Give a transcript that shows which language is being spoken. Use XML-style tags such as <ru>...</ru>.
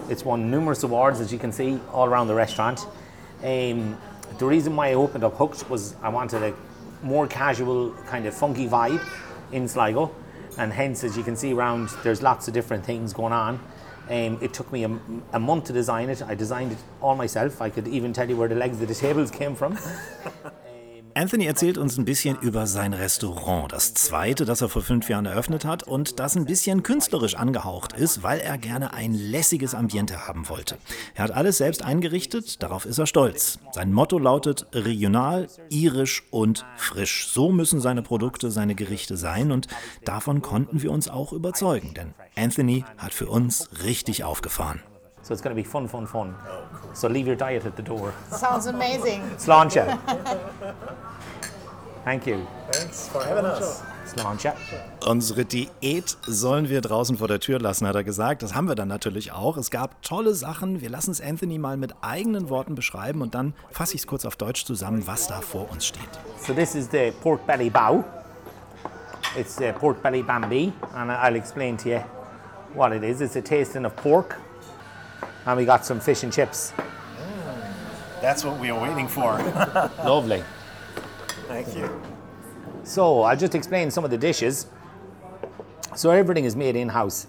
<en>It's won numerous awards, as you can see, all around the restaurant. The reason why I opened up Hooked was I wanted a more casual, kind of funky vibe in Sligo. And hence, as you can see around, there's lots of different things going on. It took me a month to design it. I designed it all myself. I could even tell you where the legs of the tables came from.</en> <de>Anthony erzählt uns ein bisschen über sein Restaurant, das zweite, das er vor 5 Jahren eröffnet hat und das ein bisschen künstlerisch angehaucht ist, weil er gerne ein lässiges Ambiente haben wollte. Er hat alles selbst eingerichtet, darauf ist er stolz. Sein Motto lautet regional, irisch und frisch. So müssen seine Produkte, seine Gerichte sein und davon konnten wir uns auch überzeugen, denn Anthony hat für uns richtig aufgefahren.</de> <en>So it's going to be fun, fun, fun. Oh, cool. So leave your diet at the door. Sounds amazing.</en> <ga>Sláinte.</ga> <en>Thank you. Thanks for having us.</en> <ga>Sláinte.</ga> <de>Unsere Diät sollen wir draußen vor der Tür lassen, hat er gesagt. Das haben wir dann natürlich auch. Es gab tolle Sachen. Wir lassen es Anthony mal mit eigenen Worten beschreiben und dann fasse ich es kurz auf Deutsch zusammen, was da vor uns steht.</de> <en>So this is the pork belly bao. It's the pork belly bambi. And I'll explain to you what it is. It's a tasting of pork. And we got some fish and chips. That's what we are waiting for. Lovely. Thank you. So I'll just explain some of the dishes. So everything is made in-house.</en>